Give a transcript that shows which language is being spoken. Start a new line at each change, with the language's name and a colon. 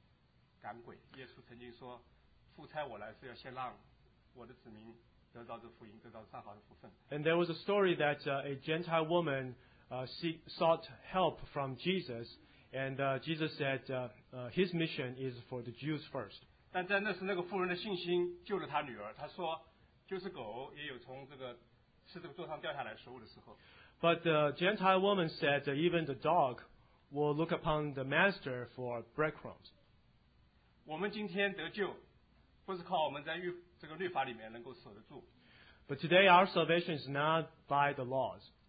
Chinese: 在这里，我进行读的时候，我就有一种感动。我觉得像我们这样的人，以前就像耶稣在那个福音里面曾经有一个外邦的妇人来问他说，他女儿被鬼附了，要他去赶鬼。耶稣曾经说。
English: And there was a story that a Gentile woman sought help from Jesus, and Jesus said his mission is for the Jews first.
Chinese: 但在那时那个妇人的信心救了她女儿，她说就是狗也有从这个是这个座上掉下来食物的时候。
English: But the Gentile woman said even the dog will look upon the master for breadcrumbs.
Chinese: 我们今天得救。
English: But today our salvation is not by the laws.